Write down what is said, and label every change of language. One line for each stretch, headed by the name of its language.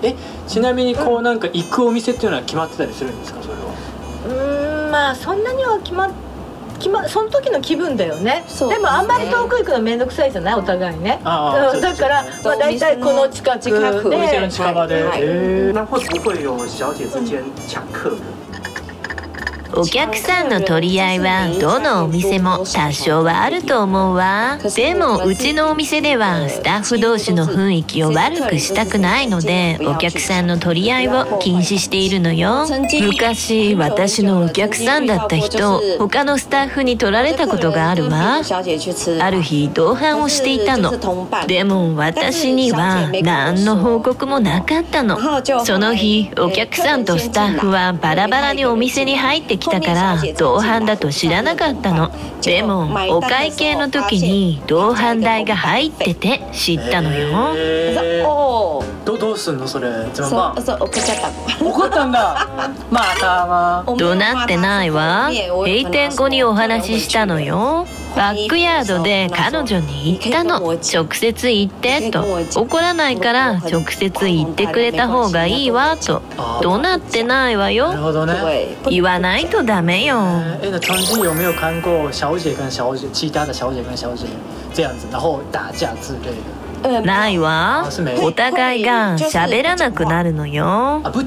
Japanese: え、ちなみにこうなんか行くお店っていうのは決まってたりするんですか、それは？まあそんなには決まその時の気分だよ ね。でもあんまり遠く行くの面倒くさいじゃない、お互いね。あ、だからまあ大体この近くで、お店の近場で、はいはい、
Chinese: 那会不会有小姐之间抢客？
Japanese: お客さんの取り合いはどのお店も多少はあると思うわ。でもうちのお店ではスタッフ同士の雰囲気を悪くしたくないので、お客さんの取り合いを禁止しているのよ。昔私のお客さんだった人、他のスタッフに取られたことがあるわ。ある日同伴をしていたの。でも私には何の報告もなかったの。その日お客さんとスタッフはバラバラにお店に入って来たから同伴だと知らなかったの。でもお会計の時に同伴代が入ってて知ったのよ。どうすんのそれ。じゃあ、怒っちゃった。怒ったんだ。まあたま怒鳴ってないわ。閉店後にお話ししたのよ。バックヤードで彼女に言ったの。直接言ってと。怒らないから直接言ってくれた方がいいわと。怒鳴ってないわよ。なるほどね。言わないとダメよ。
Chinese: え、那曾经有没有看过小姐跟小姐、其他的小姐跟小姐这样子，然后打架之类的？
Japanese: ないわ。お互いが喋らなくなるのよ。